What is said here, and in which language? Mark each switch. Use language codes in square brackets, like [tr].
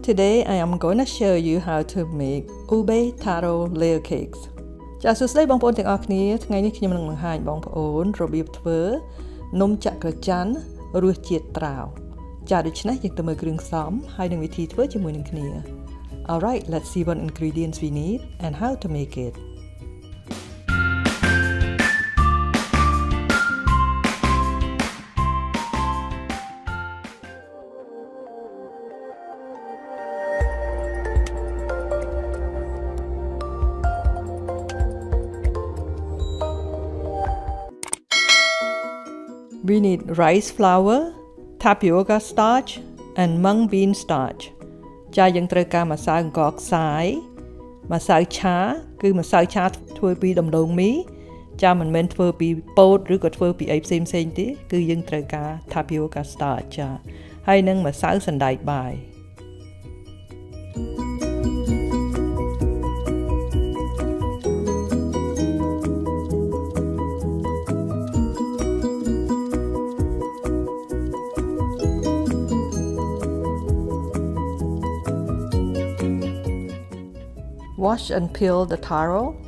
[en] Today I am going to show you how to make ube taro layer cakes. [km] ចាសសួស្តីបងប្អូនទាំងអស់គ្នាថ្ងៃនេះខ្ញុំនឹងបង្ហាញបងប្អូនរបៀបធ្វើនំចក្រច័ន្ទរសជាតិត្រាវចាសដូច្នេះយើងទៅមើលគ្រឿងផ្សំហើយនឹងវិធីធ្វើជាមួយនឹងគ្នា [en] All right, let's see what ingredients we need and how to make it. We need rice flour, tapioca starch, and mung bean starch. [km] ចាយើងត្រូវការម្សៅអង្ករខ្សាយ ម្សៅឆា គឺម្សៅឆាធ្វើពីដំឡូងមី ចាមិនមែនធ្វើពីពោតឬក៏ធ្វើពីអីផ្សេងៗទេ គឺយើងត្រូវការ tapioca starch ចា ហើយនិងម្សៅសណ្ដែកបាយ [en] Wash and peel the taro.